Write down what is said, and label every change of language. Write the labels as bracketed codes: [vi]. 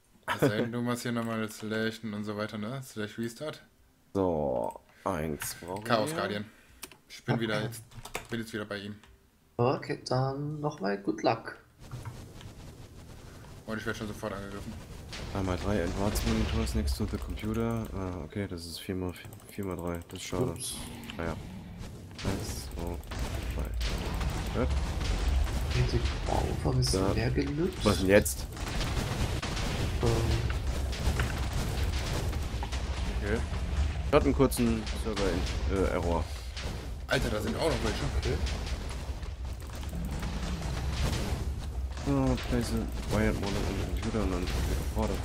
[de] Es sei denn, du machst hier nochmal Slashen und so weiter, ne? Slash Restart. So, eins brauchen Chaos wir. Guardian. Ich bin wieder jetzt. Bin jetzt wieder bei ihm. Okay, dann nochmal [en] good luck. [de] Und ich werde schon sofort angegriffen. [en] 1x3 Advanced Monitors next to the computer. [de] Ah, okay, das ist 4x3. Das ist schade. Ups. Ah ja. 1, 2, 3. Hört. Hätte ich auch ein bisschen Da. mehr Was denn genutzt. jetzt? Okay. Ich hatte einen kurzen Server-Error. Alter, da sind auch noch welche. Okay. [en] Place a wired modem on the computer and then put the port of